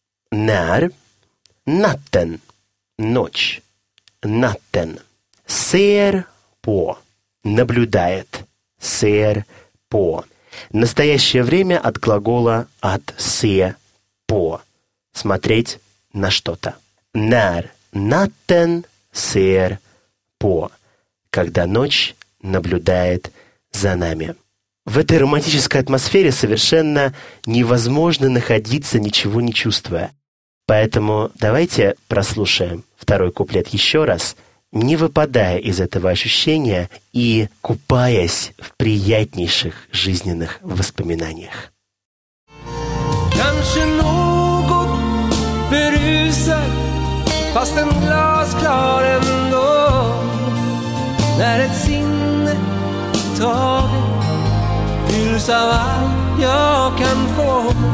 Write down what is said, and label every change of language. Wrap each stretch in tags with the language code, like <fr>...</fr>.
<sv>När – natten –</sv> <ru>ночь.</ru> <sv>Natten – ser på –</sv> <ru>наблюдает.</ru> <sv>Ser på.</sv> <ru>Настоящее время от глагола от</ru> <sv>se på</sv> <ru>– смотреть на что-то.</ru> <sv>När natten ser på.</sv> <ru>По, когда ночь наблюдает за нами. В этой романтической атмосфере совершенно невозможно находиться, ничего не чувствуя. Поэтому давайте прослушаем второй куплет еще раз, не выпадая из этого ощущения и купаясь в приятнейших жизненных воспоминаниях.</ru> <sv>Kanske något berusar, fast en glas klar ändå. När ett sinne taget fylls av allt jag kan få.</sv>